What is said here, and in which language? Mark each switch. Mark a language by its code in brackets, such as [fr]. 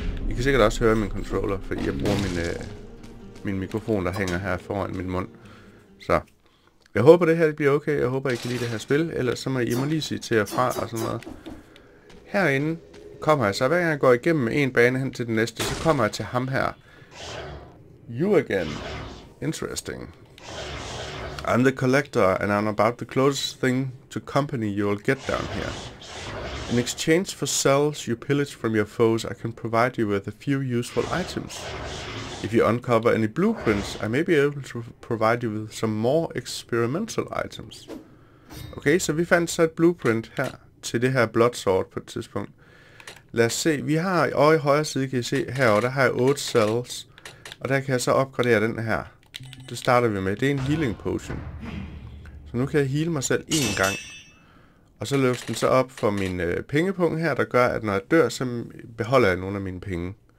[da] I kan sikkert også høre min controller, fordi jeg bruger min mikrofon, der hænger her foran min mund. Så jeg håber, det her bliver okay. Jeg håber, I kan lide det her spil. Ellers så må I må lige sige til jer fra og sådan noget. Herinde kommer jeg så. Hver gang jeg går igennem en bane hen til den næste, så kommer jeg til ham her. [en] You again. Interesting. I'm the collector, and I'm about the closest thing to company you'll get down here. In exchange for cells you pillage from your foes, I can provide you with a few useful items. If you uncover any blueprints, I may be able to provide you with some more experimental items. [da] Okay, så vi fandt så et blueprint her til det her bloodsword på et tidspunkt. Lad os se, vi har, og i højre side kan I se herovre, der har jeg 8 cells, og der kan jeg så opgradere den her. Det starter vi med. Det er en healing potion. Så nu kan jeg heal mig selv én gang. Og så løfter den så op for min pengepung her, der gør, at når jeg dør, så beholder jeg nogle af mine penge.